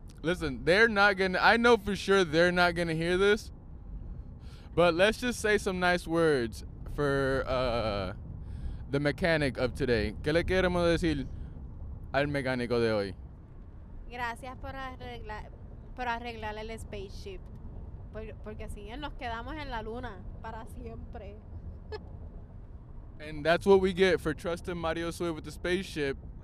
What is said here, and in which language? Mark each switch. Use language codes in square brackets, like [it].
[en] Listen, I know for sure they're not gonna hear this. But let's just say some nice words for the mechanic of today. [es] ¿Qué le queremos decir al mecánico de hoy? Gracias por arreglar el spaceship. porque si él nos quedamos en la luna para siempre. [en] And that's what we get for trusting Mario Sui with the spaceship.